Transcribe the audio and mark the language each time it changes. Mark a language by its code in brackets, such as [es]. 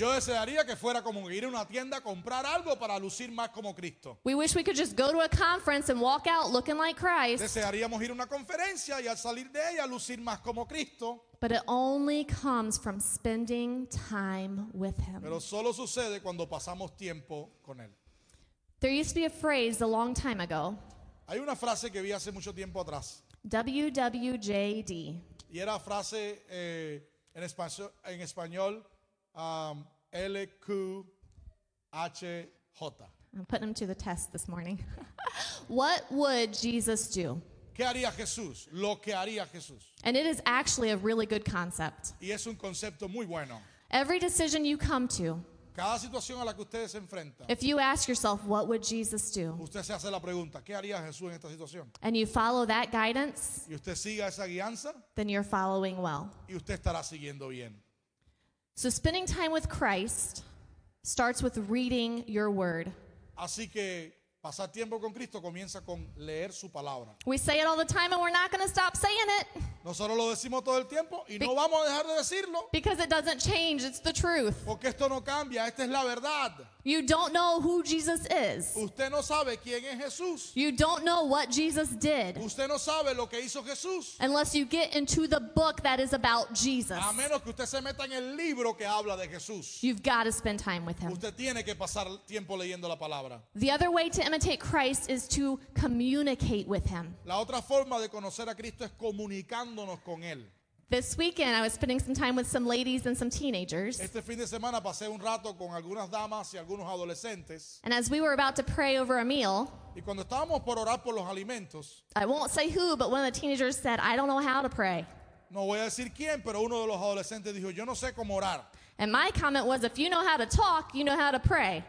[es] Yo desearía que fuera como ir a una tienda a comprar algo para lucir más como Cristo. [en] We wish we could just go to a conference and walk out looking like Christ. [es] Desearíamos ir a una conferencia y al salir de ella lucir más como Cristo. [en] But it only comes from spending time with him. [es] Pero solo sucede cuando pasamos tiempo con él. [en] There used to be a phrase a long time ago. [es] Hay una frase que vi hace mucho tiempo atrás. [en] WWJD. [es] Y era frase en español LQHJ. [en] I'm putting him to the test this morning. What would Jesus do? [es] ¿Qué haría Jesús? Lo que haría Jesús. [en] And it is actually a really good concept. [es] Y es un concepto muy bueno. [en] Every decision you come to, [es] cada situación a la que ustedes se enfrentan, [en] if you ask yourself, what would Jesus do? [es] Usted se hace la pregunta, ¿qué haría Jesús en esta situación? [en] And you follow that guidance, [es] y usted siga esa guianza, [en] then you're following well. [es] Y usted estará siguiendo bien. [en] So spending time with Christ starts with reading your word. [es] Así que pasar tiempo con Cristo comienza con leer su palabra. [en] We say it all the time and we're not going to stop saying it. [es] Nosotros lo decimos todo el tiempo y no vamos a dejar de decirlo. [en] Because it doesn't change, it's the truth. [es] Porque esto no cambia, esta es la verdad. [en] You don't know who Jesus is. [es] Usted no sabe quién es Jesús. [en] You don't know what Jesus did. [es] Usted no sabe lo que hizo Jesús. [en] Unless you get into the book that is about Jesus. [es] A menos que usted se meta en el libro que habla de Jesús. [en] You've got to spend time with him. [es] Usted tiene que pasar tiempo leyendo la palabra. [en] The other way to imitate Christ is to communicate with him. [es] La otra forma de conocer a Cristo es comunicándonos con él. [en] This weekend, I was spending some time with some ladies and some teenagers. [es] Este fin de semana pasé un rato con algunas damas y algunos adolescentes. [en] And as we were about to pray over a meal, [es] y cuando estábamos por orar por los alimentos, [en] I won't say who, but one of the teenagers said, "I don't know how to pray." [es] No voy a decir quién, pero uno de los adolescentes dijo, "Yo no sé cómo orar." [en] And my comment was, "If you know how to talk, you know how to pray."